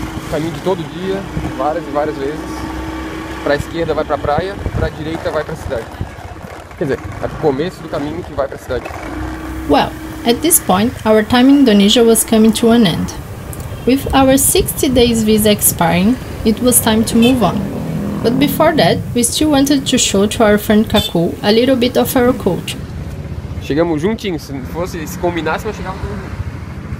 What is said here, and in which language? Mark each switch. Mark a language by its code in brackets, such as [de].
[pt] Caminho de todo dia, várias e várias vezes. Pra esquerda vai pra praia, pra direita vai pra cidade. Quer dizer, é o começo do caminho que vai pra cidade. [en] Well, at this point, our time in Indonesia was coming to an end. With our 60 days visa expiring, it was time to move on. But before that, we still wanted to show to our friend Canggu a little bit of our culture. [pt] Chegamos juntinho, se fosse, se combinasse, nós chegávamos todos.